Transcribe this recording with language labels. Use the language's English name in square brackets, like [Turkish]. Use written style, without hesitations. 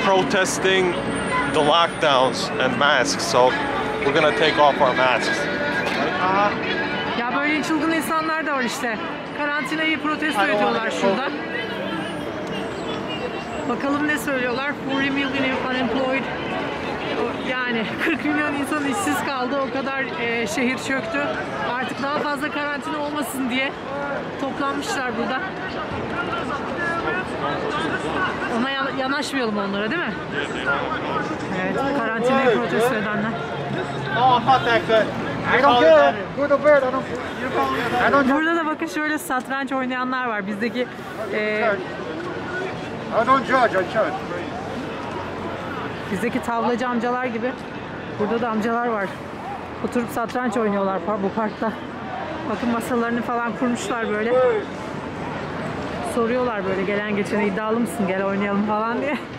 [English] Testing the lockdowns and masks, so we're gonna take off our masks. [Turkish] Ya böyle çılgın insanlar da var işte. Karantinayı protesto ediyorlar şurada. Bakalım ne söylüyorlar. [English] 40 million unemployed. [Turkish] Yani 40 milyon insan işsiz kaldı. O kadar şehir çöktü. Artık daha fazla karantina olmasın diye toplanmışlar burada. Ona yanaşmayalım onlara, değil mi? Evet, karantinayı protesto edenler. [English] No, I'm not that good. I don't care. Good or bad, I don't. [Turkish] Burada da bakın şöyle satranç oynayanlar var. Bizdeki [English] I don't judge. [Turkish] Bizdeki tavlacı amcalar gibi burada da amcalar var. Oturup satranç oynuyorlar bu parkta. Bakın masalarını falan kurmuşlar böyle. Soruyorlar böyle gelen geçene iddialı mısın, gel oynayalım falan diye.